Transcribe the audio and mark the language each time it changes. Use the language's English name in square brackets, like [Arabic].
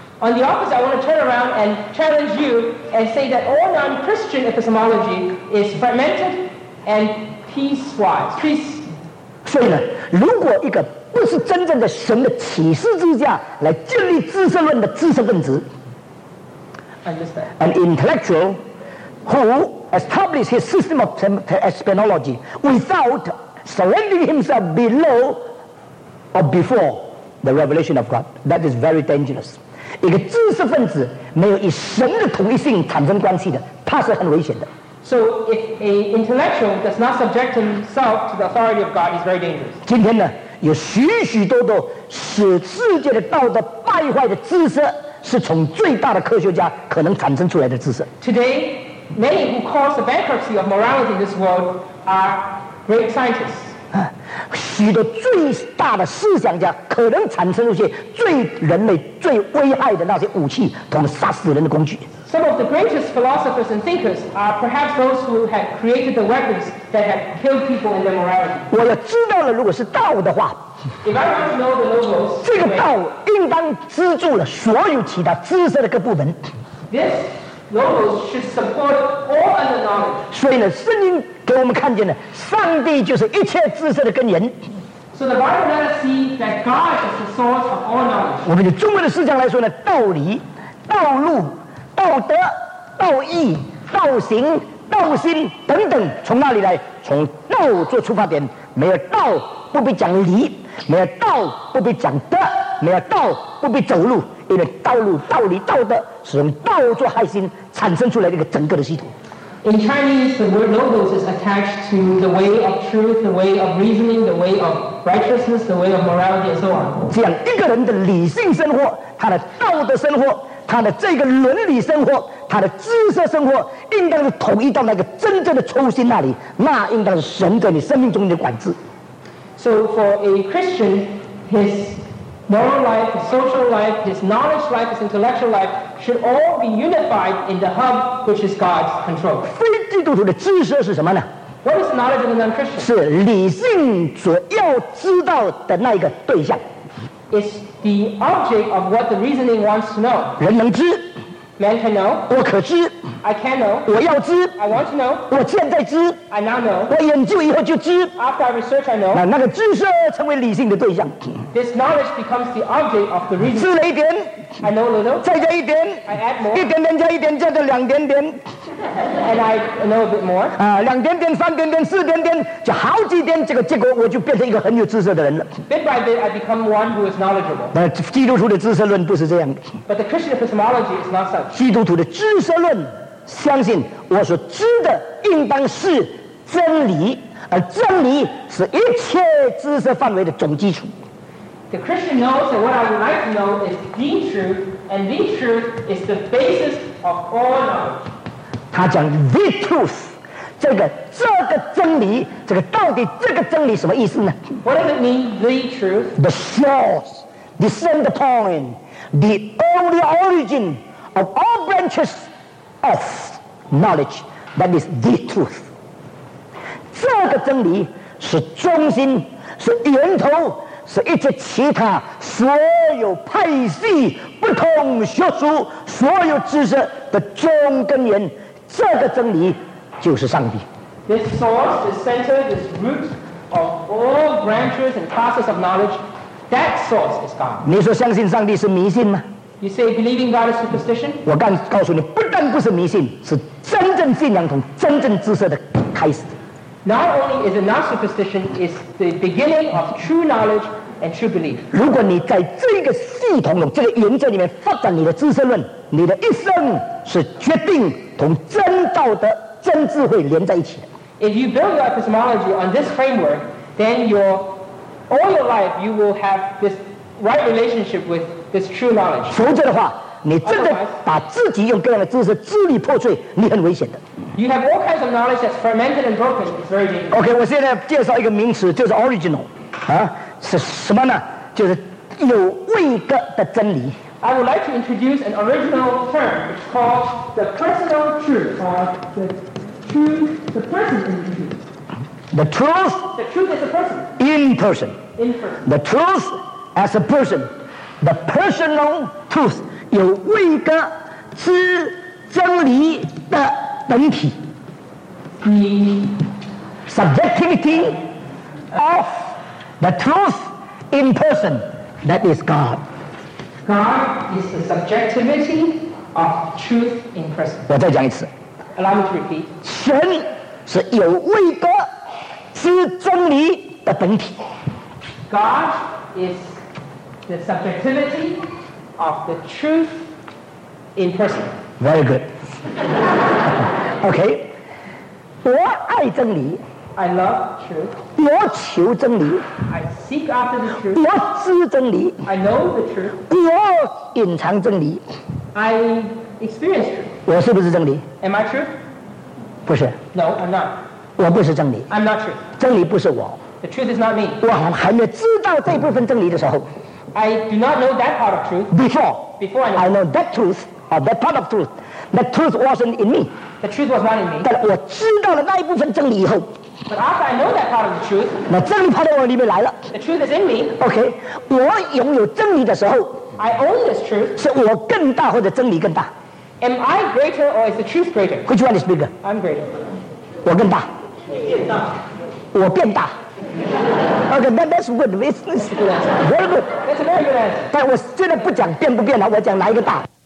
[English] On the opposite, I want to turn around and challenge you and say that all non-Christian epistemology is fragmented and piecewise. [Chinese] 所以呢，如果一个不是真正的神的启示之下来建立知识论的知识分子 [English] ，understand an intellectual who establishes his system of epistemology without surrendering himself below or before the revelation of God, that is very dangerous. [Chinese] 一个知识分子没有与神的统一性产生关系的，他是很危险的。 [English] So if a intellectual does not subject himself to the authority of God, he's very dangerous. [Chinese] 今天呢，有许许多多使世界的道德败坏的知识，是从最大的科学家可能产生出来的知识。 [English] Today, many who cause the bankruptcy of morality in this world are great scientists. [Chinese] 许多最大的思想家可能产生一些最人类最危害的那些武器，他们杀死人的工具。 [English] Some of the greatest philosophers and thinkers are perhaps those who have created the weapons that have killed people in their morality. [Chinese] 我要知道了，如果是道的话 [English] ，If I want to know the logos, [Chinese] 这个道应当资助了所有其他知识的各部门。 [English] This logos should support all other knowledge. [Chinese] 所以呢，圣经给我们看见了，上帝就是一切知识的根源。 [English] So the Bible let us see that God is the source of all knowledge. [Chinese] 我们的中文的思想来说呢，道理、道路。道德、道义、道行、道心等等，从哪里来？从道做出发点。没有道，不必讲理；没有道，不必讲德；没有道，不必走路。因为道路、道理、道德是从道做核心产生出来的一个整个的系统。 [English] In Chinese, the word logos is attached to the way of truth, the way of reasoning, the way of righteousness, the way of morality, and so on. [Chinese] 这样一个人的理性生活，他的道德生活。他的这个伦理生活，他的知识生活，应当是统一到那个真正的中心那里，那应当是神在你生命中的管制。 [English] So for a Christian, his moral life, his social life, his knowledge life, his intellectual life should all be unified in the hub which is God's control. [Chinese] 非基督徒的知识是什么呢？ [English] What is knowledge of a non-Christian? [Chinese] 是理性所要知道的那一个对象。 [English] Is the object of what the reasoning wants to know. [Chinese] 人能知 [English] Man can know. [Chinese] 我可知 [English] I can know. [Chinese] 我要知 [English] I want to know. [Chinese] 我现在知 [English] I now know. [Chinese] 我研究以后就知 [English] After I research, I know. [Chinese] 那个知识成为理性的对象 [English] This knowledge becomes the object of the reasoning. [Chinese] 知了一点 [English] I know a little. [Chinese] 再加一点 [English] I add more. [Chinese] 一点点加一点加到两点点 [English] And I know a bit more. [Chinese] 两点点三点点四点点就好几点这个结果我就变成一个很有知识的人了 [English] Bit by bit, I become one who is knowledgeable. [Chinese] 基督徒的知识论不是这样 [English] But the Christian epistemology is not such. [Chinese] 基督徒的知识论相信我所知的应当是真理，而真理是一切知识范围的总基础。 [English] The Christian knows that what I would like to know is the truth, and the truth is the basis of all knowledge. [Chinese] 他讲 [English] the truth， [Chinese] 这个真理，这个到底这个真理什么意思呢？ [English] What does it mean the truth? The source, the center point, the only origin of all branches. Of knowledge, that is the truth. [Chinese] 这个真理是中心，是源头，是一切其他所有派系、不同学术、所有知识的总根源。这个真理就是上帝。 [English] This source, this center, this root of all branches and classes of knowledge, that source is God. [Chinese] 你说相信上帝是迷信吗？ [English] You say believing God is superstition? [Chinese] 我刚告诉你，不但不是迷信，是真正信仰从真正知识的开始。 [English] Not only is it not superstition, it's the beginning of true knowledge and true belief. [Chinese] 如果你在这个系统中、这个原则里面发展你的知识论，你的一生是决定同真道德、真智慧连在一起的。 [English] If you build your epistemology on this framework, then your all your life you will have this right relationship with. It's true knowledge. [Chinese] 否则的话，你真的把自己用各样的知识支离破碎，你很危险的。 [English] You have all kinds of knowledge that's fragmented and broken. It's very dangerous. [Chinese] Okay, 我现在介绍一个名词，就是 original， 是什么呢？就是有位格的真理。 [English] I would like to introduce an original term, it's called the personal truth, or the truth, the person in the truth. The truth is a person. In person. In person. The truth as a person. The personal truth [Chinese] 有位格之真理的本体 [English] The subjectivity of the truth in person That is God God is the subjectivity of truth in person [Chinese] 我再讲一次 [English] Allow me to repeat [Chinese] 神是有位格之真理的本体 [English] God isThe subjectivity of the truth in person. Very good. Okay. [Chinese] 我爱真理 [English] I love truth. [Chinese] 我求真理 [English] I seek after the truth. [Chinese] 我知真理 [English] I know the truth. [Chinese] 我隐藏真理 [English] I experience truth. [Chinese] 我是不是真理 [English] Am I truth? [Chinese] 不是 [English] No, I'm not. [Chinese] 我不是真理 [English] I'm not truth. [Chinese] 真理不是我 [English] The truth is not me. [Chinese] 我还没知道这部分真理的时候。 [English] I do not know that part of truth. Before I know that truth, or that part of truth. That truth wasn't in me. The truth was not in me. [Chinese] 但我知道了那一部分真理以后。 [English] But after I know that part of the truth, [Chinese] 那真理跑到我里面来了。 [English] The truth is in me. [Chinese] Okay, 我拥有真理的时候。 [English] I own this truth. [Chinese] 是我更大或者真理更大。 [English] Am I greater or is the truth greater? Which one is bigger? I'm greater. [Chinese] 我更大。我变大。 [English] Okay, that's good. That's a good answer. Very good. That's a very good answer. [Chinese] 但我现在不讲变不变了，我讲哪一个大。